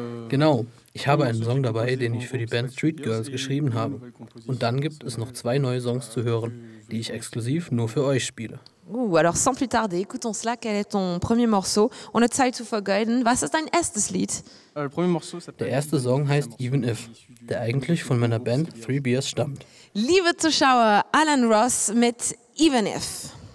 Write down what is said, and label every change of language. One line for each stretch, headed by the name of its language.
German: Genau, ich habe einen Song dabei, den ich für die Band Street Girls geschrieben habe. Und dann gibt es noch zwei neue Songs zu hören, die ich exklusiv nur für euch spiele.
French: Alors sans plus tarder, écoutons cela, quel est ton premier morceau?
German: Ohne Zeit zu vergeuden, was ist dein erstes Lied? Der erste Song heißt Even If, der eigentlich von meiner Band Three Beers stammt. Liebe Zuschauer, Alan Ross mit Even If.